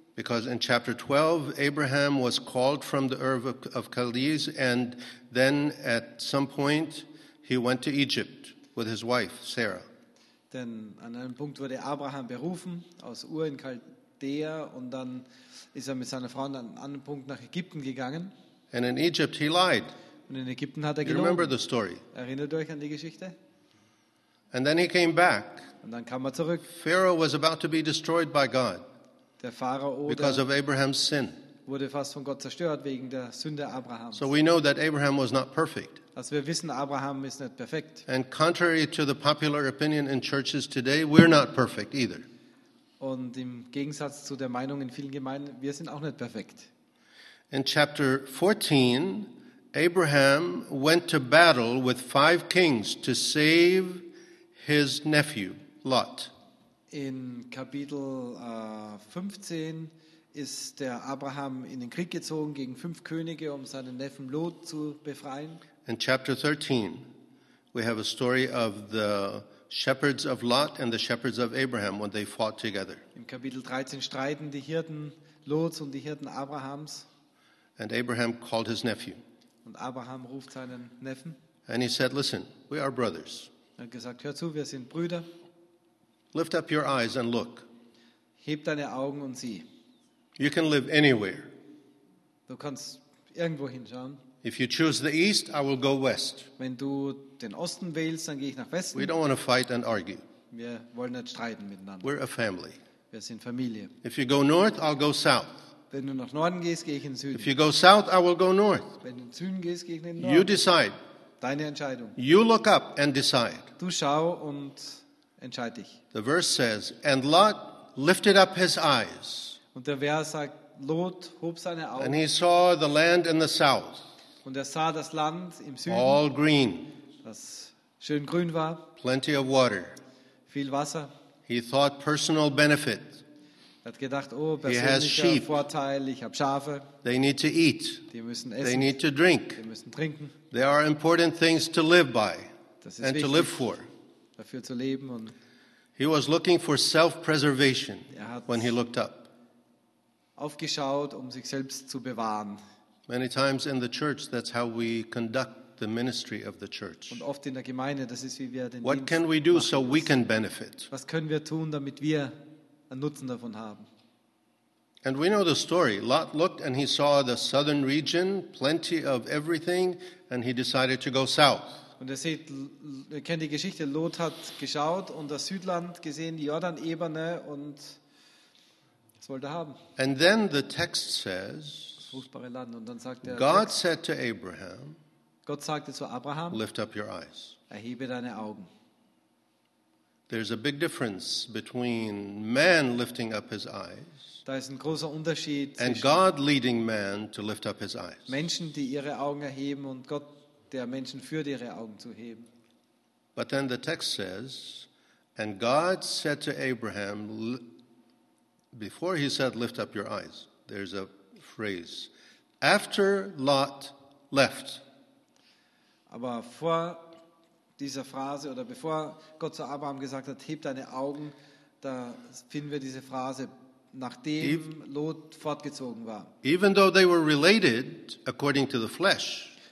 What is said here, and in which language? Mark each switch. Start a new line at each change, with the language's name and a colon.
English: Because in chapter 12, Abraham was called from the Ur of Chaldees, and then at some point he went to Egypt with his wife Sarah.
German: Denn an einem Punkt wurde Abraham berufen aus Ur in Chaldea, und dann ist er mit seiner Frau an einem anderen Punkt nach Ägypten gegangen.
English: And in Egypt he lied.
German: Und in Ägypten hat er gelogen.
English: You remember the story.
German: Erinnert euch an die Geschichte?
English: And then he came back.
German: Und dann kam er zurück.
English: Pharaoh was about to be destroyed by God.
German: Der Pharao
English: because of Abraham's sin.
German: Wurde fast von Gott zerstört wegen der Sünde Abrahams.
English: So we know that Abraham was not perfect.
German: Also wir wissen, Abraham ist nicht perfekt.
English: And contrary to the popular opinion in churches today, we're not perfect either.
German: Und im Gegensatz zu der Meinung in vielen Gemeinden, wir sind auch nicht perfekt.
English: In chapter 14, Abraham went to battle with five kings to save his nephew, Lot.
German: In Kapitel 15 ist der Abraham in den Krieg gezogen gegen fünf Könige, um seinen Neffen Lot zu befreien.
English: In chapter 13, we have a story of the shepherds of Lot and the shepherds of Abraham when they fought together.
German: Im Kapitel 13 streiten die Hirten Lots und die Hirten Abrahams.
English: And Abraham called his nephew.
German: Und Abraham ruft seinen Neffen.
English: And he said, "Listen, we are brothers."
German: Er hat gesagt, hör zu, wir sind Brüder.
English: "Lift up your eyes and look."
German: Heb deine Augen und sieh.
English: "You can live anywhere."
German: Du kannst irgendwo hinschauen.
English: "If you choose the east, I will go west."
German: Wenn du den Osten wählst, dann gehe ich nach Westen.
English: "We don't want to fight and argue."
German: Wir wollen nicht streiten miteinander.
English: "We're a family."
German: Wir sind Familie.
English: If you go north, I'll go south.
German: Wenn du nach Norden gehst, gehe ich in den Süden.
English: If you go south, I will go north.
German: Wenn du in den Süden gehst, gehe ich in den Norden.
English: You decide.
German: Deine Entscheidung.
English: You look up and decide.
German: Du schau und entscheid dich.
English: The verse says, and Lot lifted up his eyes.
German: Und der Vers sagt, Lot hob seine Augen.
English: And he saw the land in the south.
German: Und er sah das Land im Süden.
English: All green.
German: Das schön grün war.
English: Plenty of water.
German: Viel Wasser.
English: He thought personal benefit.
German: Er hat gedacht, oh, persönlicher Vorteil, ich habe Schafe.
English: They need to eat.
German: Die müssen essen.
English: They need to drink.
German: Die müssen trinken.
English: There are important things to live by and to live for.
German: Dafür zu leben und
English: he was looking for self-preservation when he looked up.
German: Aufgeschaut, um sich selbst zu bewahren.
English: Many times in the church, that's how we conduct the ministry of the church.
German: Und oft in der Gemeinde, das ist wie wir den Dienst.
English: What can we do so we can benefit?
German: Was können wir tun, damit wir einen Nutzen davon haben?
English: And we know the story. Lot looked and he saw the southern region, plenty of everything, and he decided to go south.
German: Und ihr seht, ihr kennt die Geschichte. Lot hat geschaut und das Südland gesehen, die Jordanebene, und das wollte er haben.
English: And then the text says,
German: fruchtbare Land. Und dann sagt
English: God said to Abraham,
German: Gott sagte zu Abraham,
English: lift up your eyes.
German: Erhebe deine Augen.
English: There's a big difference between man lifting up his eyes.
German: Da ist ein großer Unterschied
English: and God leading man to lift up his eyes.
German: Menschen, die ihre Augen erheben, und Gott, der Menschen führt, ihre Augen zu heben.
English: But then the text says, and God said to Abraham, before he said lift up your eyes, there's a phrase, after Lot left.
German: Aber vor dieser Phrase, oder bevor Gott zu Abraham gesagt hat, heb deine Augen, da finden wir diese Phrase, nachdem Lot fortgezogen war.
English: Even though they were related according to the flesh,